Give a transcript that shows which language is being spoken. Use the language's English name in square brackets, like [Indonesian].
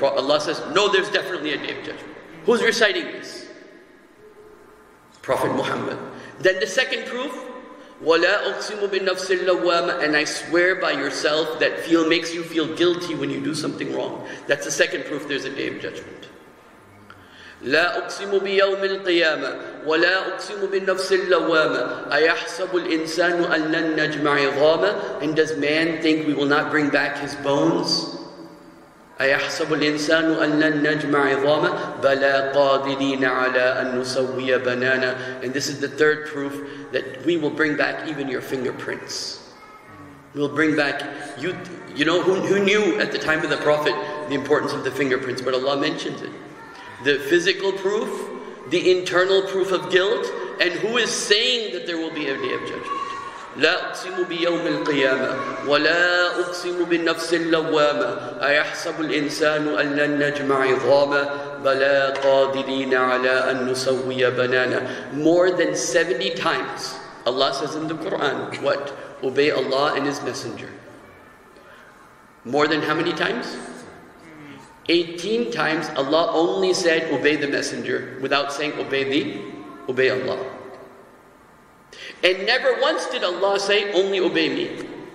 [English] Allah says, "No, there's definitely a day of judgment." Who's reciting this? Prophet Muhammad. Then the second proof, [Arabic] "Wala uqsimu bi-nafsi al-lawwama," [English] and I swear by yourself that makes you feel guilty when you do something wrong. That's the second proof. There's a day of judgment. [Arabic] لا أقسم بيوم القيامة ولا أقسم بالنفس اللوامة أيحسب الإنسان أن لن نجمع عظاما [English] And does man think we will not bring back his bones? [Arabic] أيحسب الإنسان أن لن نجمع عظاما بلا قادرين على أن نسوي بنانا [English] And this is the third proof that we will bring back even your fingerprints. We'll bring back, who knew at the time of the Prophet the importance of the fingerprints, but Allah mentions it. The physical proof, the internal proof of guilt, and who is saying that there will be a day of judgment? [Arabic] لا أقسم بيوم القيامة ولا أقسم بالنفس اللوامة أيحسب الإنسان أن لن نجمع عظاما بلا قادرين على أن نسوي بنانا [English] More than 70 times, Allah says in the Quran, what? Obey Allah and His Messenger. More than how many times? 18 times Allah only said, obey the messenger, without saying, obey Allah. And never once did Allah say, only obey me.